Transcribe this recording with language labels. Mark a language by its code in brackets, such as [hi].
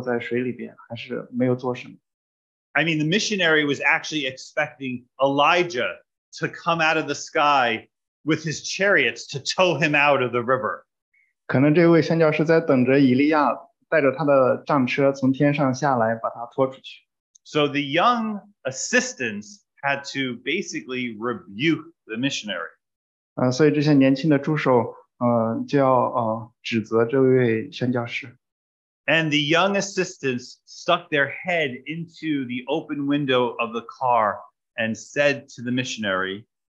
[zh] 而这一位宣教士，尽管他的助手已经祷告了，但是他在这种情况之下，在那个河水上涨的情况之下，他坐在汽车里，坐在水里边，还是没有做什么。 [en] I mean, the missionary was actually expecting Elijah to come out of the sky with his chariots to tow him out of the river. [zh] 可能这位宣教士在等着以利亚带着他的战车从天上下来把他拖出去。 [en] So the young assistants had to basically rebuke the missionary. [zh] 所以这些年轻的助手就要指责这位宣教士。 [en] And the young assistants stuck their head into the open window of the car and said to the missionary,